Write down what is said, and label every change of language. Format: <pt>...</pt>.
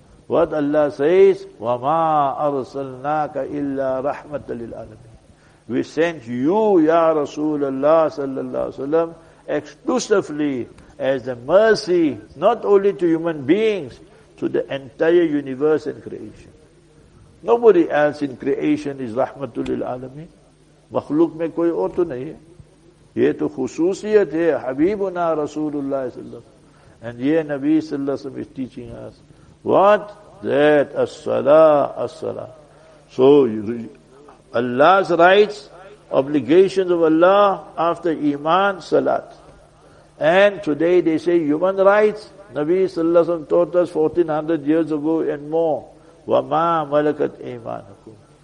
<en>What Allah says,</en> <ar>وَمَا أَرْسَلْنَاكَ إِلَّا رَحْمَةً لِلْعَالَمِينَ.</ar> <en>We sent you, Ya Rasulullah sallallahu alayhi wa sallam, exclusively as a mercy, not only to human beings, to the entire universe and creation. Nobody else in creation is</en> <ar>رَحْمَةٌ لِلْعَالَمِينَ.</ar> <ur>مخلوق میں کوئی اور تو نہیں ہے. یہ تو خصوصیت ہے حبیبنا رسول اللہ صلی اللہ علیہ وسلم.</ur> <en>And</en> <ur>یہ نبی</ur> <en>صلی اللہ علیہ وسلم is teaching us. What? That as-salah. So Allah's rights, obligations of Allah after iman, salat. And today they say human rights. Nabi صلی اللہ علیہ وسلم taught us 1400 years ago and more.</en> <ar>وَمَا مَلَكَتْ إِيمَانَكُمْ.</ar>